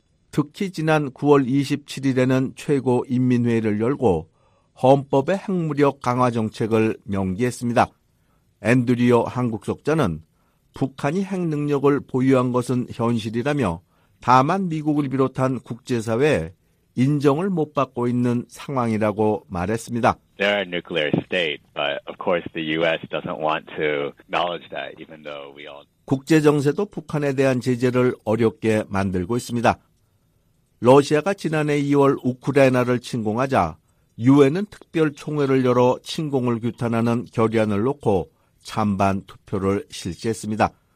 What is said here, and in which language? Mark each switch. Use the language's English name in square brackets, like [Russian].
[Korean] 특히 지난 9월 27일에는 최고인민회의를 열고 헌법의 핵무력 강화 정책을 명기했습니다. 앤드류 한국수석자는 북한이 핵능력을 보유한 것은 현실이라며 다만 미국을 비롯한 국제사회에 인정을 못 받고 있는 상황이라고 말했습니다. [English] They're a nuclear state, but of course the U.S. doesn't want to acknowledge that, even though we all. [Korean] 국제정세도 북한에 대한 제재를 어렵게 만들고 있습니다. 러시아가 지난해 2월 우크라이나를 침공하자 유엔은 특별총회를 열어 침공을 규탄하는 결의안을 놓고 찬반 투표를 실시했습니다.